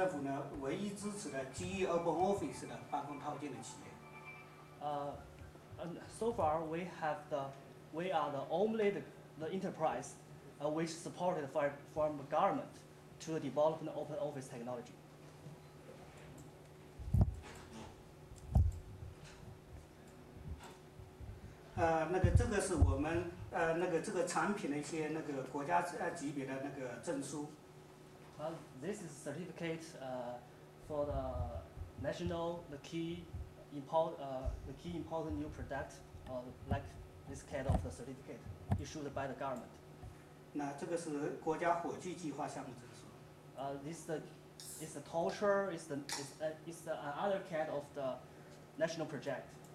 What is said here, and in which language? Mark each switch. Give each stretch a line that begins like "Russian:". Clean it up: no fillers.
Chinese: 其中的话呢，我们是属于国家级政府呢唯一支持的 GE Urban Office 的办公套件的企业。
English: So far we have the, we are the only the enterprise, which supported from government to develop the open office technology.
Chinese: 那个这个是我们那个这个产品的一些那个国家级别的那个证书。
English: This is certificate for the national the key important new product like this kind of the certificate issued by the government.
Chinese: 那这个是国家火炬计划项目证书。
English: This is the another kind of the national project.